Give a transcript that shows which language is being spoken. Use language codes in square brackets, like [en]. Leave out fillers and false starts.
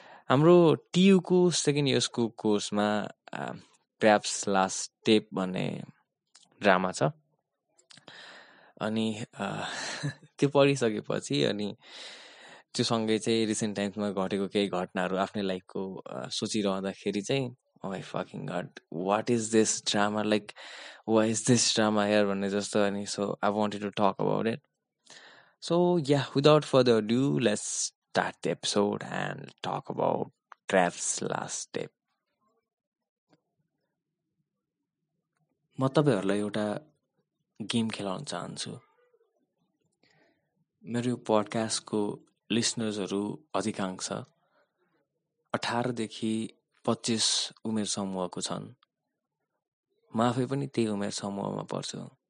[ne] हाम्रो टियुको second इयर्सको कोर्समा प्याप्स last step भन्ने drama छ, अनि त्यो पढिसकेपछि अनि त्यो सँगै चाहिँ रिसेन्ट टाइम्समा घटेको केही घटनाहरू आफ्नै लाइफको सोचिरहँदाखेरि चाहिँ [en] my fucking god, what is this drama, like why is this drama here [ne] भन्ने जस्तो, अनि [en] So I wanted to talk about it. So yeah without further ado let's start the episode and talk about crafts last step. [ne] म तपाईँहरूलाई एउटा game खेलाउन चाहन्छु। मेरो यो पडकास्टको लिसनर्सहरू अधिकांश 18-25 उमेर समूहको छन्, म आफै पनि त्यही उमेर समूहमा पर्छु।